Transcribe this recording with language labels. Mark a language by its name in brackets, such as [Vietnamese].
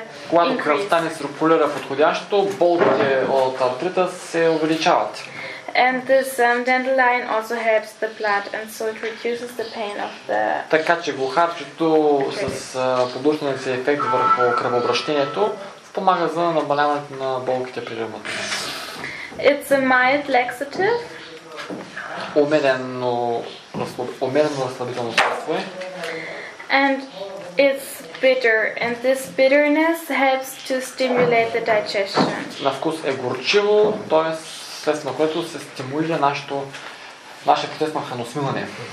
[Bulgarian] Когато кръвта не циркулира подходящо, болките от артрита се увеличават. [English] And this dandelion also helps the blood and so it reduces the pain of the. [Bulgarian] Така че глухарчето с подушния си ефект върху кръвообращението спомага за намаляването на болките при ревматизма. [English] It's a mild laxative. [Bulgarian] Умерено разслабително средство. [English] And it's bitter and this bitterness helps to stimulate the digestion. [Bulgarian] На вкус е горчиво, т.е. средство, което се стимулира нашия процес на храносмилане.